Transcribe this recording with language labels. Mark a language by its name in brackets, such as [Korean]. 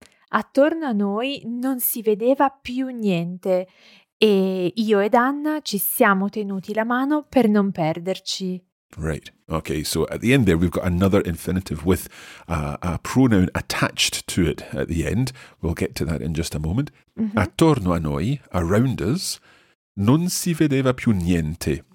[Italian] Attorno a noi non si vedeva più niente e io ed Anna ci siamo tenuti la mano per non perderci. [English] Right. Okay, so at the end there we've got another infinitive with a pronoun attached to it at the end. We'll get to that in just a moment. Mm-hmm. [Italian] Attorno a noi, [English] around us, [Italian] non si vedeva più niente.